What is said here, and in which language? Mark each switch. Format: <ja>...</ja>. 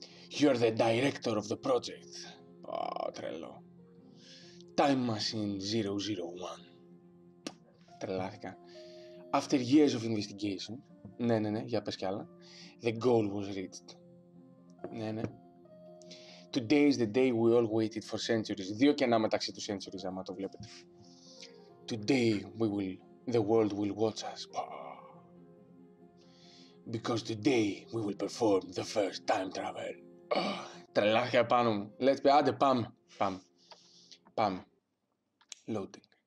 <en>You're the director of the project.</en> <el>Τρελό.</el> <en>Time Machine 001.</en> <el>Τρελάθηκα.</el> <en>After years of investigation.</en> <el>Ναι, για πες κι άλλα.</el> <en>The goal was reached. Ναι. Today is the day we all waited for centuries.</en> <el>Δύο κενά μεταξύ του centuries, άμα το βλέπετε.</el> <en>Today we will, the world will watch us. Because today we will perform the first time travel.</en> <el>Τρελάθηκα πάνω μου.</el> <en>Let's be,</en> <el>άντε, πάμε. Πάμε.</el> <en>Loading.</en>